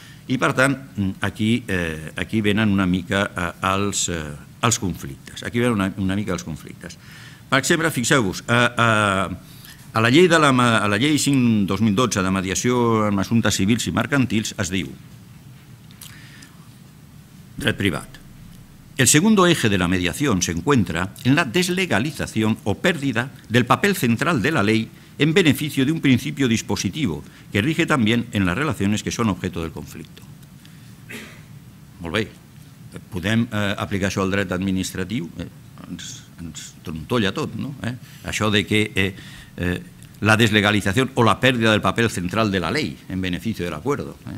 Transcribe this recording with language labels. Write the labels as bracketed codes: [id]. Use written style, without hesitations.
[ca] I, per tant, aquí venen una mica els conflictes. Aquí venen una mica els conflictes. Per exemple, fixeu-vos, a la llei 5/2012 de mediació en assumptes civils i mercantils es diu dret privat. [es] El segundo eje de la mediación se encuentra en la deslegalización o pérdida del papel central de la ley en beneficio de un principio dispositivo que rige también en las relaciones que son objeto del conflicto. [ca] Molt bé, podem aplicar això al dret administratiu? Ens trontolla tot, no? Això de que [es] la deslegalización o la pérdida del papel central de la ley en beneficio del acuerdo...